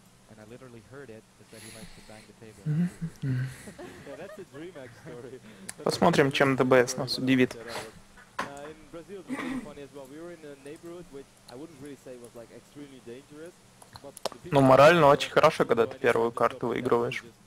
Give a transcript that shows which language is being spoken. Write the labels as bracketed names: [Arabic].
[English] And I literally heard it, is that he likes to bang the table. Yeah, that's a DreamHack story. [Russian] Посмотрим, чем ДБС нас удивит. [English] In Brazil, it was really funny as well. We were in a neighborhood, which I wouldn't really say was like extremely dangerous. [Russian] Ну, морально очень хорошо, когда ты первую карту выигрываешь.